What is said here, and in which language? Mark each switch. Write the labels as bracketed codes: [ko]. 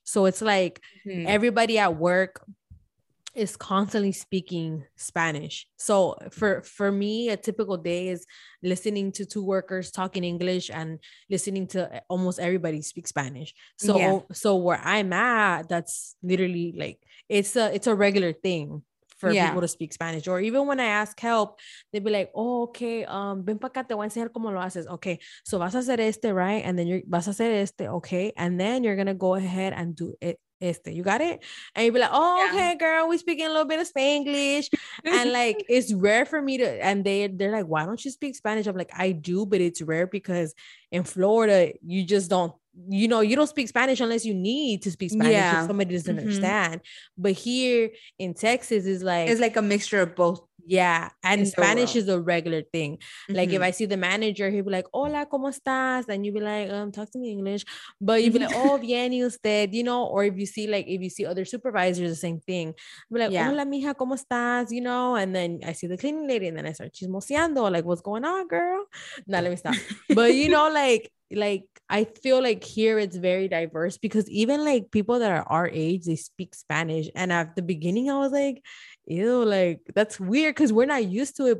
[en] So it's like everybody at work is constantly speaking Spanish. So for me, a typical day is listening to two workers talking English and listening to almost everybody speak Spanish. So so where I'm at, that's literally like it's a regular thing for people to speak Spanish. Or even when I ask help, they'd be like, oh, okay, [es] ven para acá, te voy a enseñar cómo lo haces. Okay, so vas a hacer este, [en] right? And then [es] vas a hacer este, okay? [en] And then you're going to go ahead and do it. Este, you got it? And you'd be like, oh, okay, girl, we speaking a little bit of Spanglish. And like, it's rare for me to, and they're like, why don't you speak Spanish? I'm like, I do, but it's rare, because in Florida, you just don't, you know, you don't speak Spanish unless you need to speak Spanish if somebody doesn't understand. But here in Texas, it's like a mixture of both. Yeah. And Spanish is a regular thing. Like if I see the manager, he'll be like, [es] hola, ¿cómo estás? [en] And you'll be like, talk to me English. But you'll be like, [es] oh, bien, usted, [en] you know. Or if you see other supervisors, the same thing. I'll be like, [es] hola, mija, ¿cómo estás? [en] You know. And then I see the cleaning lady and then I start chismoseando, like, what's going on, girl? Now let me stop. But you know, like I feel like here it's very diverse, because even like people that are our age, they speak Spanish. And at the beginning, I was like, ew, like that's weird, because we're not used to it.